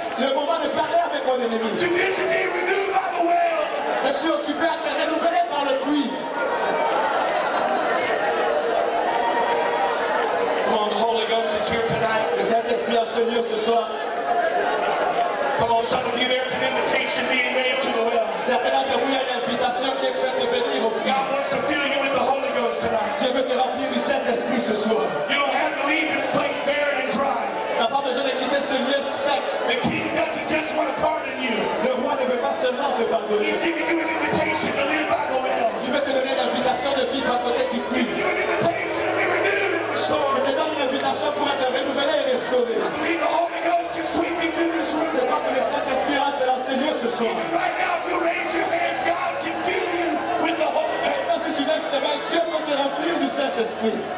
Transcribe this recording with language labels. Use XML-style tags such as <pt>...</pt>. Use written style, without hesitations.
<en>To visit me renewed by the well.</en> <fr>Je suis occupé à te renouveler par le puits.</fr> <en>Come on, the Holy Ghost is here tonight.</en> <fr>Le Saint-Esprit en ce lieu ce soir.</fr> <en>Come on, some of you, there's an invitation being made to the well.</en> <fr>Certains d'entre vous, il y a une invitation qui est faite de venir au puits.</fr> <en>God wants to fill you with the Holy Ghost tonight.</en> <fr>Dieu veut te remplir du Saint-Esprit ce soir.</fr> <en>You don't have to leave this place barren and dry.</en> <fr>Tu n'as pas besoin de quitter ce lieu sec.</fr> <en>The King doesn't just want to pardon you.</en> <fr>Le roi ne veut pas seulement te pardonner.</fr> <en>He's giving you an invitation to live by the well.</en> <fr>Il veut te donner l'invitation de vivre à côté du puits.</fr> <en>He's giving you an invitation to be renewed and restored.</en> <fr>Il te donne une invitation pour être renouvelé et restauré.</fr> <en>I believe the Holy Ghost is sweeping through this room.</en> <fr>C'est pas que le Saint-Esprit rentre dans ces lieux ce soir.</fr> <en>Even right now, if you raise your hands, God can fill you with the Holy Ghost.</en> <fr>Maintenant, si tu lèves tes mains, Dieu peut te remplir du Saint-Esprit.</fr>